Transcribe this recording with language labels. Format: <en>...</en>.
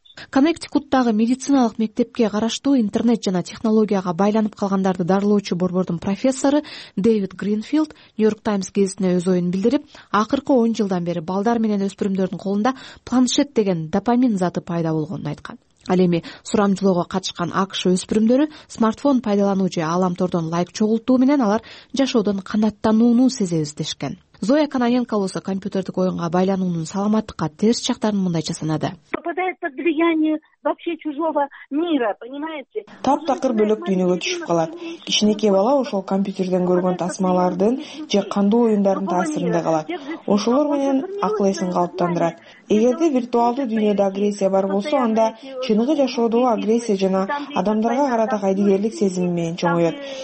<ky>Коннектикуттагы медициналык мектепке караштуу интернет жана технологияга байланып калгандарды дарылоочу борбордун профессору Дэвид Гринфилд Нью-Йорк Таймс гезитине өз оюн билдирип, акыркы 10 жылдан бери балдар менен өспүрүмдөрдүн колунда планшет деген допамин заты пайда болгонун айткан. Ал эми сурамжылоого катышкан АКШ өспүрүмдөрү смартфон пайдалануу же ааламтордон лайк чогултуу менен алар жашоодон канааттанууну сезебиз дешкен. Зоя Кананенко болсо компьютердик оюнга байлануунун саламаттыкка терс жактарын мындайча санады.</ky> <ru>Попадает под влияние вообще чужого мира, понимаете?</ru> <ky>Таптакыр бөлөк дүйнөгө түшүп калат. Кичинекей бала ошол компьютерден көргөн тасмалардын же кандуу оюндардын таасиринде калат. Ошолор менен акыл эсин калыптандырат. Эгерде виртуалдуу дүйнөдө агрессия бар болсо, анда чыныгы жашоодо агрессия жана адамдарга карата кайдыгерлик сезими менен чоңоет.</ky>